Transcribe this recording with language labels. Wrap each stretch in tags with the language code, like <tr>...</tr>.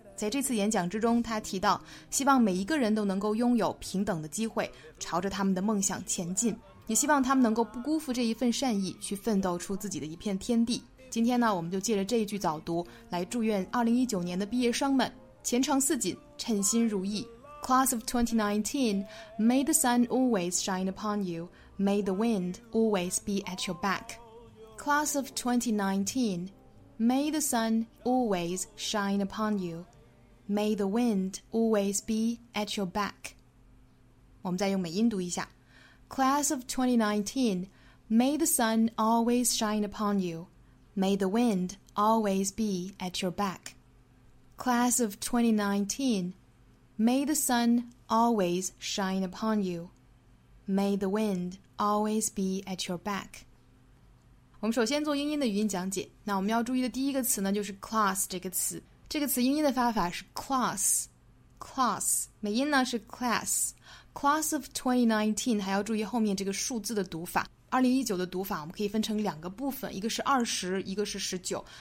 <zh>在这次演讲之中，他提到希望每一个人都能够拥有平等的机会，朝着他们的梦想前进，也希望他们能够不辜负这一份善意，去奋斗出自己的一片天地。今天呢，我们就借着这一句早读来祝愿2019年的毕业生们前程似锦，称心如意。</zh> <en>Class of 2019, May the sun always shine upon you, May the wind always be at your backClass of 2019, may the sun always shine upon you. May the wind always be at your back.</en> <zh>我们再用美音读一下。</zh> <en>Class of 2019, may the sun always shine upon you. May the wind always be at your back. Class of 2019, may the sun always shine upon you. May the wind always be at your back.</en> <zh>我们首先做英音的语音讲解。那我们要注意的第一个词呢，就是 class 这个词。这个词英音的发法是 class， 美音呢是 class。</zh> <en>Class of 2019</en> <zh>还要注意后面这个数字的读法。 2019的读法我们可以分成两个部分，一个是20，一个是19。</zh>